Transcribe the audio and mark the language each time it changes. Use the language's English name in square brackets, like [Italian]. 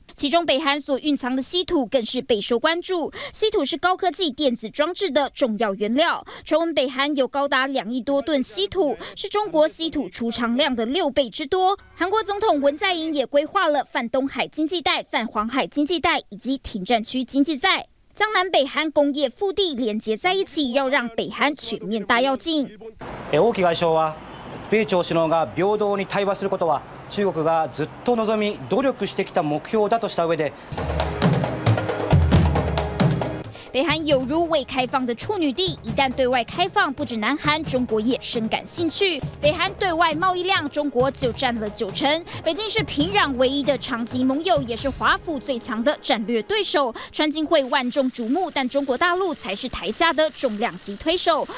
[Chinese] 其中，北韩所蕴藏的稀土更是备受关注。稀土是高科技电子装置的重要原料，传闻北韩有高达2亿多吨稀土，是中国稀土出厂量的6倍之多。韩国总统文在寅也规划了泛东海经济带、泛黄海经济带以及停战区经济带。将南北韩工业腹地连接在一起，要让北韩全面大跃进。 [Japanese] 王毅外相は、米朝首脳が平等に対話することは、中国がずっと望み、努力してきた目標だとした上で。 [Chinese] 北韩有如未开放的处女地，一旦对外开放，不止南韩，中国也深感兴趣。北韩对外贸易量，中国就占了90%。北京是平壤唯一的长期盟友，也是华府最强的战略对手。川金会万众瞩目，但中国大陆才是台下的重量级推手。